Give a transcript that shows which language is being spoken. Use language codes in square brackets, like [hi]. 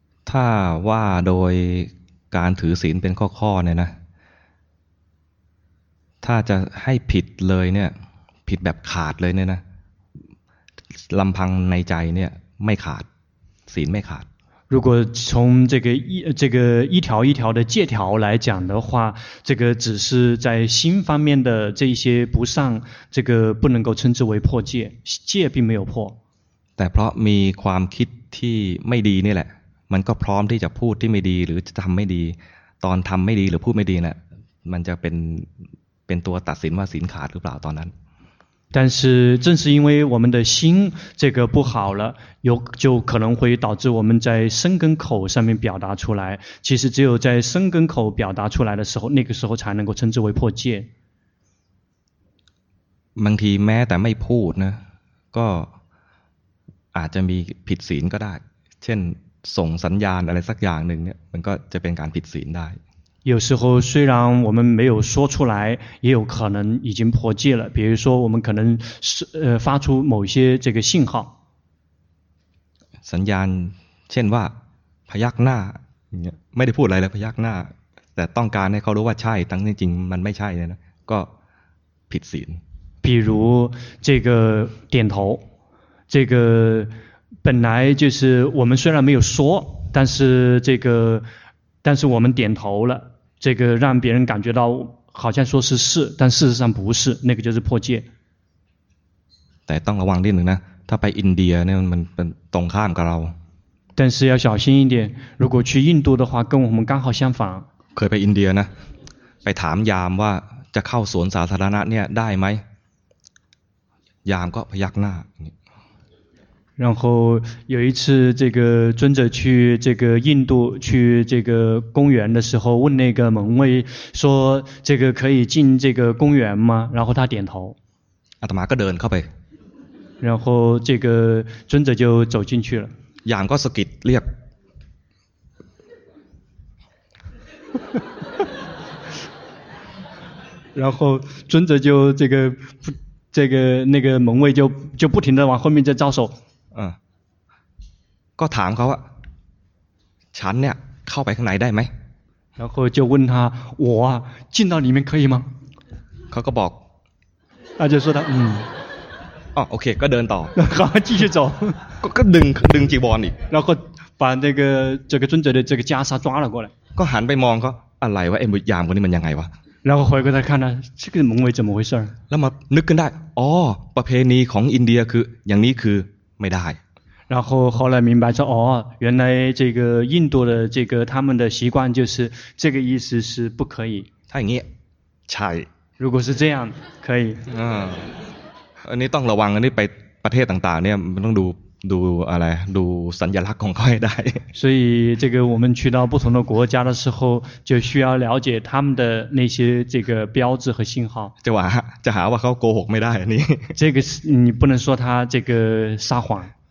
[th] ถ้าว่าโดยการถือศีลเป็นข้อๆเนี่ยนะถ้าจะให้ผิดเลยเนี่ยผิดแบบขาดเลยเนี่ยนะลำพังในใจเนี่ยไม่ขาดศีลไม่ขาด [zh] 如果从这个一条一条的戒条来讲的话，这个只是在心方面的这些不善，这个不能够称之为破戒，戒并没有破。 [th] แต่เพราะมีความคิดที่ไม่ดีนี่แหละมันก็พร้อมที่จะพูดที่ไม่ดีหรือจะทำไม่ดีตอนทำไม่ดีหรือพูดไม่ดีเนี่ยมันจะเป็นตัวตัดสินว่าศีลขาดหรือเปล่าตอนนั้น [zh] 但是正是因为我们的心这个不好了有就可能会导致我们在身跟口上面表达出来其实只有在身跟口表达出来的时候那个时候才能够称之为破戒 [th] บางทีแม้แต่ไม่พูดนะก็อาจจะมีผิดศีลก็ได้เช่นส่งสัญญาณอะไรสักอย่างหนึ่งเนี่ยมันก็จะเป็นการผิดศีลได้ [zh] 有时候虽然我们没有说出来也有可能已经破戒了比如说我们可能发出某些这个信号 [th] สัญญาณเช่นว่าพยักหน้าไม่ได้พูดอะไรเลยพยักหน้าแต่ต้องการให้เขารู้ว่าใช่ทั้งจริงมันไม่ใช่นะก็ผิดศีล [zh] 比如这个点头这个本来就是我们虽然没有说但是我们点头了这个让别人感觉到好像说是但事实上不是那个就是破戒 [th] แต่ต้องระวังนิดนึงนะถ้าไปอินเดียเนี่ยมันตรงข้ามกับเรา [zh] 但是要小心一点如果去印度的话跟我们刚好相反 [th] เคยไปอินเดียนะไปถามยามว่าจะเข้าสวนสาธารณะเนี่ยได้ไหมยามก็พยักหน้า [zh] 然后有一次这个尊者去这个印度去这个公园的时候问那个门卫说这个可以进这个公园吗然后他点头 [th] อาตมาก็เดินเข้าไป [zh] 然后这个尊者就走进去了 [th] ยามก็สะกิดเรียก [zh] 然后尊者就这个那个门卫就不停地往后面再招手 [th] ก็ถามเขาว่าฉันเนี่ยเข้าไปข้างในได้ไ หมแล้วก็ [zh] 就问他我进到里面可以吗 [th] เขาก็บอก อาจจะ [zh] 说他 [th] โอเคก็เดินต่อ เขา [zh] 继续走 [th] ก็ดึงจีวรอีก แล้วก็ [zh] 把那个这个尊者的这个袈裟抓了过来 [th] ก็หันไปมองเขาอะไรวะไอ้มุยามคนนี้มันยังไงวะ แล้วก็ [zh] 回过来看他这个蒙为怎么回事 [th] แล้วมานึกขึ้นได้อ๋อประเพณีของอินเดียคืออย่างนี้คือไม่ได้ [zh] 然后后来明白说哦原来这个印度的这个他们的习惯就是这个意思是不可以 [th] ถ้าอย่างนี้ใช่ [zh] 如果是这样可以 [th] อันนี้ต้องระวังอันนี้ไปประเทศต่างๆเนี่ยมันต้องดูอะไรดูสัญลักษณ์ของเขาให้ได้ [zh] 所以这个我们去到不同的国家的时候就需要了解他们的那些这个标志和信号 [th] จะหาว่าเขาโกหกไม่ได้อันนี้ [zh] 这个你不能说他这个撒谎